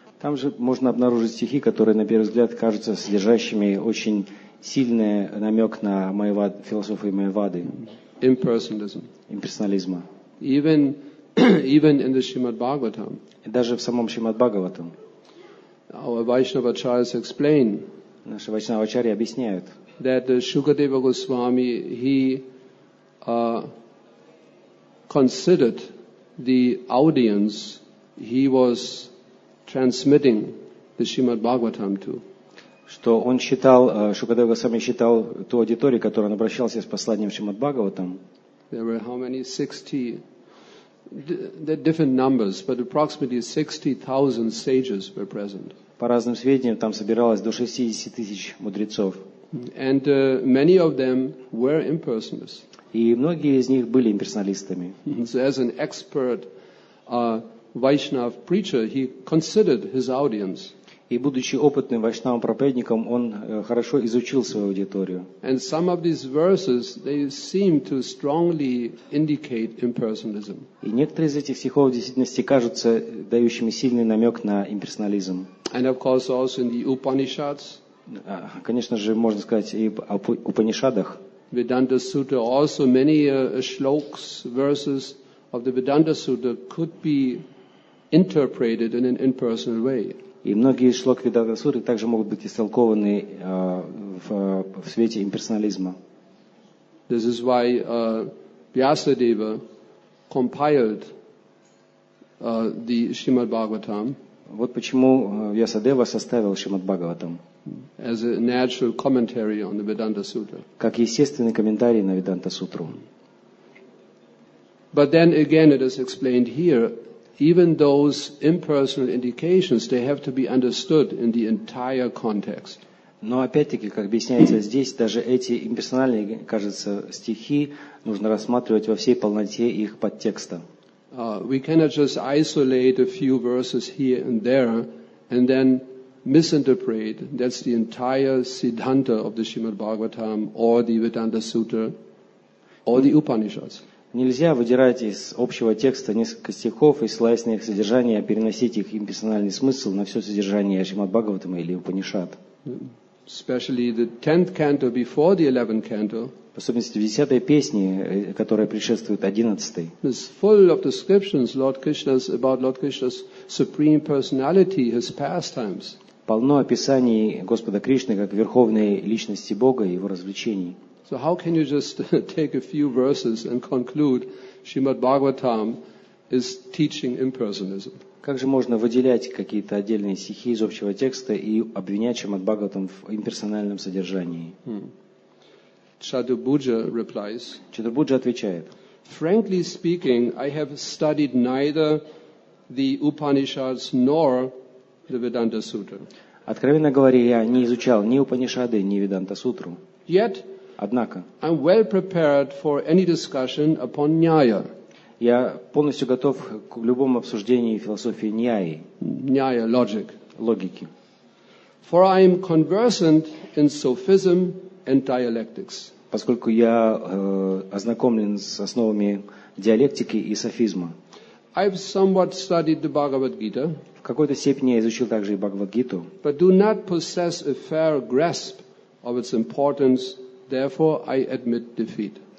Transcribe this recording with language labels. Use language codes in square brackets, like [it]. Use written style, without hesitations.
[ru] Там же можно обнаружить стихи, которые на первый взгляд кажутся содержащими очень сильный намек на Майявад, философию Майявады. [en] Impersonalism. [ru] Имперсонализма. [en] Even in the Shrimad Bhagavatam. [ru] Даже в самом Шримад Бхагаватам. [en] Our Vaishnava Acharyas explain. [ru] Наши Вайшнава Ачарьи объясняют. [en] That Shukadeva Goswami considered the audience he was transmitting the Shrimad Bhagavatam to. [ru] Что он считал, Шукадева Госвами считал ту аудиторию, к которой он обращался с посланием Шримад Бхагаватам. [en] There were how many 60 different numbers, but approximately 60,000 sages were present. [ru] По разным сведениям, там собиралось до 60 тысяч мудрецов. [en] And, many of them were impersonalists. [ru] И многие из них были имперсоналистами. [en] So as an expert Vaishnav preacher, he considered his audience. [ru] И будучи опытным вайшнавом проповедником, он хорошо изучил свою аудиторию. [en] And some of these verses, they seem to strongly indicate impersonalism. [ru] И некоторые из этих стихов в действительности кажутся дающими сильный намек на имперсонализм. [en] And of course also in the Upanishads. [ru] Конечно же, можно сказать и об Упанишадах. [en] Vedanta Sutra also many shlokas, verses of the Vedanta Sutra could be interpreted in an impersonal way. [ru] И многие шлоки Ведата Сутры также могут быть истолкованы в свете имперсонализма. [en] This is why Vyasadeva compiled the Shrimad Bhagavatam. [ru] Вот почему Вьясадева составил Шримад Бхагаватам. [en] As a natural commentary on the Vedanta Sutra. [ru] Как естественный комментарий на Веданта Сутру. [en] But then again it is explained here. even those impersonal indications, they have to be understood in the entire context. [ru] Но опять-таки, как объясняется здесь, даже эти имперсональные, кажется, стихи нужно рассматривать во всей полноте их подтекста. [en] We cannot just isolate a few verses here and there and then misinterpret that's the entire Siddhanta of the Srimad Bhagavatam or the Vedanta Sutra or the Upanishads. [ru] Нельзя выдирать из общего текста несколько стихов и ссылаясь на их содержание, переносить их имперсональный смысл на все содержание Шримад Бхагаватама или Упанишад. [en] Especially the 10th canto before the 11th canto. [ru] В особенности в 10-й песне, которая предшествует 11-й. [en] It's full of descriptions Lord Krishna's about Lord Krishna's supreme personality, his pastimes. [ru] Полно описаний Господа Кришны как верховной личности Бога и его развлечений. [en] So how can you just take a few verses and conclude Srimad Bhagavatam is teaching impersonalism? [ru] Как же можно выделять какие-то отдельные стихи из общего текста и обвинять Шримад Бхагаватам в имперсональном содержании? [en] Чатурбхуджа replies. [ru] Чатурбхуджа отвечает. [en] Frankly speaking, I have studied neither the Upanishads nor the Vedanta Sutra. [ru] Откровенно говоря, я не изучал ни Упанишады, ни Веданта Сутру. [en] Yet, [ru] однако, [en] I'm well prepared for any discussion upon Nyaya. [ru] Я полностью готов к любому обсуждению философии Ньяи. [en] Ньяя, logic. [ru] Логики. [en] For I am conversant in sophism and dialectics. [ru] Поскольку я ознакомлен с основами диалектики и софизма. [en] I've somewhat studied the Bhagavad Gita. [ru] В какой-то степени я изучил также и Бхагавад-гиту. [en] But do not possess a fair grasp of its importance, therefore I admit defeat.